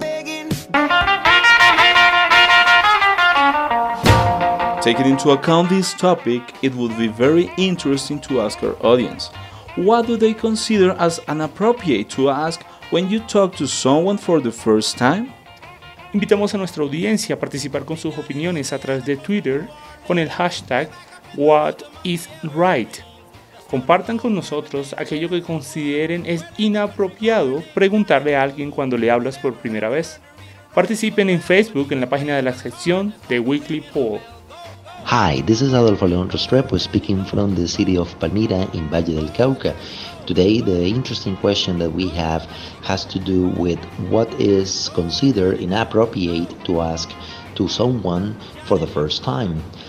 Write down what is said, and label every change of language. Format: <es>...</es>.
<en>begging. Taking into account this topic, it would be very interesting to ask our audience. What do they consider as inappropriate to ask when you talk to someone for the first time?</en> <es>Invitamos a nuestra audiencia a participar con sus opiniones a través de Twitter con el hashtag WhatIsRight. Compartan con nosotros aquello que consideren es inapropiado preguntarle a alguien cuando le hablas por primera vez. Participen en Facebook en la página de la sección de Weekly Poll.</es> <en>Hi, this is Adolfo León Restrepo speaking from the city of Palmira in Valle del Cauca. Today, the interesting question that we have has to do with what is considered inappropriate to ask to someone for the first time.</en>